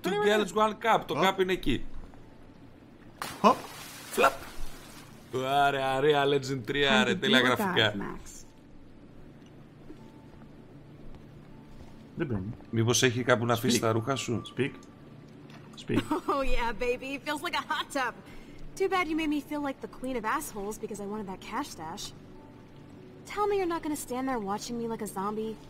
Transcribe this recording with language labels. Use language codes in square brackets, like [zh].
[en] Two girls one cup, [el] το cup είναι εκεί. Hop, flap. Άρε, Unreal Legend 3, άρε, τέλεια γραφικά. Δεν μπαίνει. Μήπως έχει κάπου να αφήσει τα ρούχα σου? [en] Speak. Oh yeah, baby, it feels like a hot tub. Too bad you made me feel like the queen of assholes because I wanted that cash stash. Tell me you're not gonna stand there watching me like a zombie.